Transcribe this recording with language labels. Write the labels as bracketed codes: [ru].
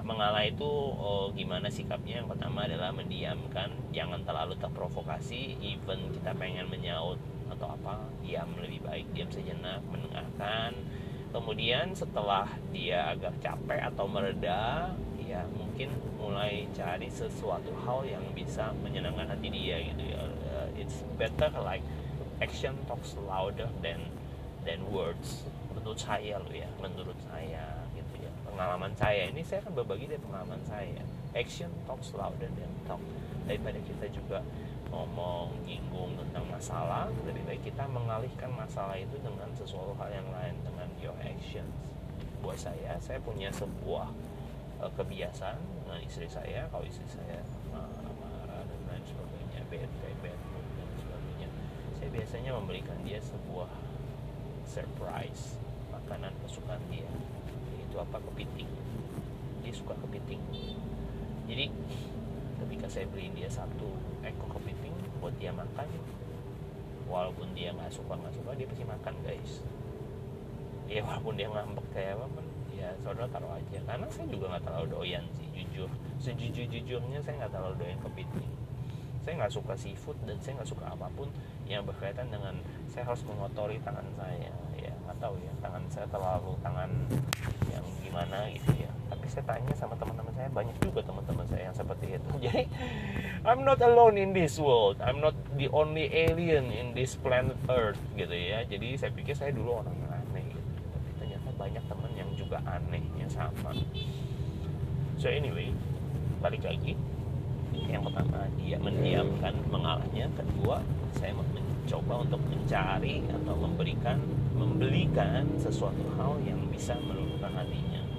[id] Mengalah itu gimana sikapnya? Yang pertama adalah mendiamkan, jangan terlalu terprovokasi. Even kita pengen menyaut atau apa, diam lebih baik. Diam sejenak, mendengarkan. Kemudian setelah dia agak capek atau mereda, ya mungkin mulai cari sesuatu hal yang bisa menyenangkan hati dia gitu ya. [en] It's better like action talks louder than words. [id] Menurut saya loh ya, menurut saya gitu ya. Pengalaman saya ini, saya akan berbagi dari pengalaman saya. [en] Action talks louder than talk. [id] Daripada kita juga ngomong nyinggung tentang masalah, lebih baik kita mengalihkan masalah itu dengan sesuatu hal yang lain, dengan [en] your actions. [id] Buat saya punya sebuah kebiasaan dengan istri saya. Kalau istri saya marah dan lain sebagainya, bad mood dan sebagainya, saya biasanya memberikan dia sebuah surprise, makanan kesukaan dia. Itu apa? Kepiting. Dia suka kepiting. Jadi ketika saya beliin dia satu ekor kepiting buat dia makan, walaupun dia gak suka, dia pasti makan guys. Ya walaupun dia ngambek kayak apa, ya ya saudara taruh aja. Karena saya juga nggak terlalu doyan sih, jujur. Sejujur-jujurnya saya nggak terlalu doyan kepiting. Saya nggak suka seafood dan saya nggak suka apapun yang berkaitan dengan saya harus mengotori tangan saya. Ya nggak tahu ya, tangan saya terlalu tangan yang gimana gitu ya. Tapi saya tanya sama teman-teman saya, banyak juga teman-teman saya yang seperti itu. [en] Jadi I'm not alone in this world. I'm not the only alien in this planet Earth gitu ya. [id] Jadi saya pikir saya dulu orang aneh gitu. Tapi ternyata banyak teman yang juga anehnya sama. So anyway, balik lagi. Yang pertama, dia mendiamkan mengalahnya. Kedua, saya mencoba untuk mencari atau membelikan sesuatu hal yang bisa meluluhkan hatinya.